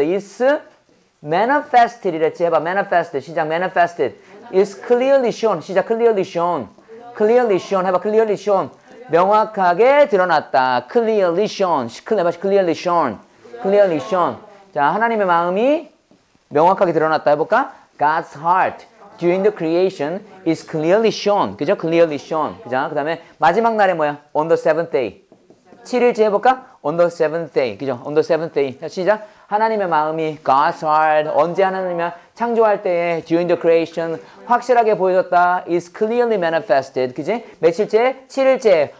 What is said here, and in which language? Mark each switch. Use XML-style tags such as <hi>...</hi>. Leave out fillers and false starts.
<en>It's manifested</en> <ko>이랬지. 해봐.</ko> <en>manifested.</en> <ko>시작.</ko> <en>manifested. is clearly shown.</en> <ko>시작.</ko> <en>clearly shown. clearly shown.</en> <ko>해봐.</ko> <en>clearly shown.</en> <ko>명확하게 드러났다.</ko> <en>clearly shown.</en> <ko>해봐.</ko> <en>clearly shown. clearly shown.</en> <ko>자, 하나님의 마음이 명확하게 드러났다. 해볼까?</ko> <en>God's heart during the creation is clearly shown.</en> <ko>그죠?</ko> <en>clearly shown.</en> <ko>그죠? 그 다음에 마지막 날에 뭐야?</ko> <en>on the seventh day.</en> <ko>7일째 해볼까?</ko> <en>on the seventh day.</en> <ko>그죠?</ko> <en>on the seventh day.</en> <ko>자, 시작. 하나님의 마음이</ko> <en>God's heart</en> <ko>언제 하나님이 창조할 때에</ko> <en>during the creation</en> <ko>확실하게 보여졌다.</ko> <en>is clearly manifested.</en> <ko>그지? 며칠째? 7일째.</ko>